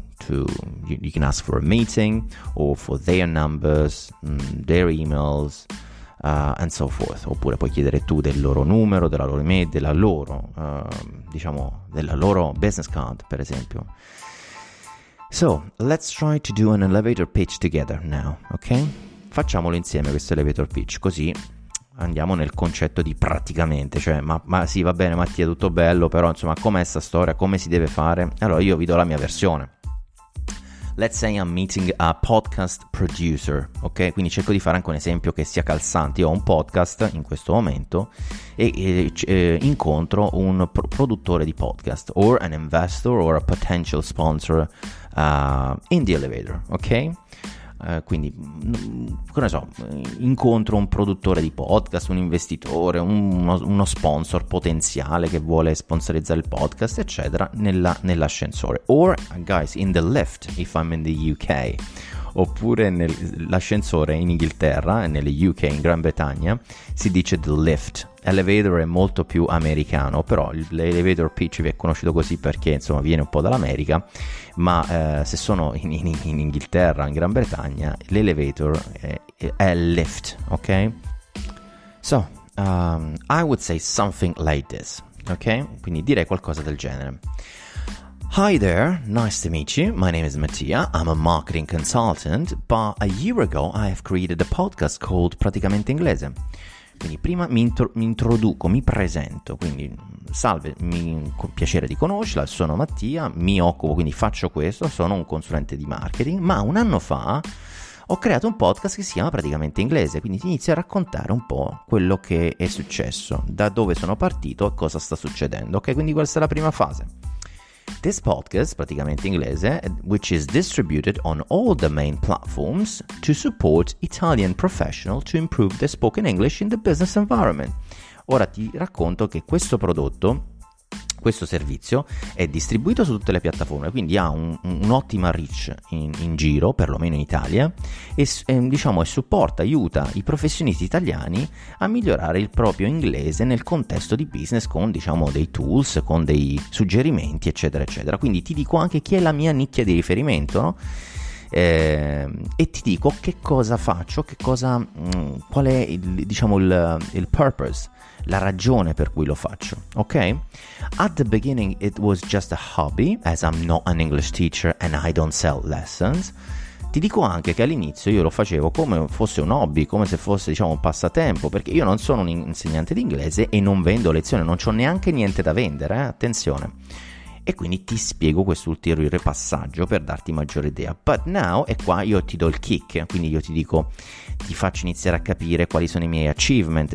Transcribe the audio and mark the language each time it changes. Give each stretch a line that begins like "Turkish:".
English: You can ask for a meeting or for their numbers, their emails, and so forth.
Italian: Oppure puoi chiedere tu del loro numero, della loro email, della loro diciamo della loro business card, per esempio.
English: So, let's try to do an elevator pitch together now, ok?
Italian: Facciamolo insieme questo elevator pitch, così andiamo nel concetto di praticamente, cioè, ma sì, va bene Mattia, tutto bello, però insomma, com'è sta storia, come si deve fare? Allora, io vi do la mia versione.
English: Let's say I'm meeting a podcast producer, ok?
Italian: Quindi cerco di fare anche un esempio che sia calzante. Io ho un podcast in questo momento e incontro un produttore di podcast
English: or an investor or a potential sponsor in the elevator,
Italian: ok? Quindi, che ne so, incontro un produttore di podcast, un investitore, uno sponsor potenziale che vuole sponsorizzare il podcast, eccetera, nell'ascensore.
English: Or, guys, in the lift, if I'm in the UK.
Italian: Oppure nell'ascensore in Inghilterra, nelle UK, in Gran Bretagna, si dice the lift. Elevator è molto più americano, però l'elevator pitch vi è conosciuto così perché insomma viene un po' dall'America, ma se sono in Inghilterra, in Gran Bretagna, l'elevator è lift, ok?
English: So, I would say something like this, ok?
Italian: Quindi direi qualcosa del genere.
English: Hi there, nice to meet you. My name is Mattia. I'm a marketing consultant, but a year ago I have created a podcast called Praticamente Inglese.
Italian: Quindi prima mi introduco, mi presento, quindi salve, con piacere di conoscerla, sono Mattia, mi occupo, quindi faccio questo, sono un consulente di marketing, ma un anno fa ho creato un podcast che si chiama Praticamente Inglese, quindi ti inizio a raccontare un po' quello che è successo, da dove sono partito e cosa sta succedendo, ok? Quindi questa è la prima fase.
English: This podcast, Praticamente Inglese, which is distributed on all the main platforms to support Italian professionals to improve their spoken English in the business environment.
Italian: Ora ti racconto che questo prodotto, questo servizio, è distribuito su tutte le piattaforme, quindi ha un'ottima reach in giro, perlomeno in Italia, e supporta, aiuta i professionisti italiani a migliorare il proprio inglese nel contesto di business con, diciamo, dei tools, con dei suggerimenti, eccetera, eccetera. Quindi ti dico anche chi è la mia nicchia di riferimento, no? E ti dico che cosa faccio, qual è il purpose, la ragione per cui lo faccio, ok?
English: At the beginning it was just a hobby, as I'm not an English teacher and I don't sell lessons.
Italian: Ti dico anche che all'inizio io lo facevo come fosse un hobby, come se fosse, diciamo, un passatempo, perché io non sono un insegnante di inglese e non vendo lezioni, non c'ho neanche niente da vendere, attenzione. E quindi ti spiego quest'ulteriore passaggio per darti maggiore idea.
English: But now,
Italian: e qua io ti do il kick, quindi io ti dico, ti faccio iniziare a capire quali sono i miei achievement.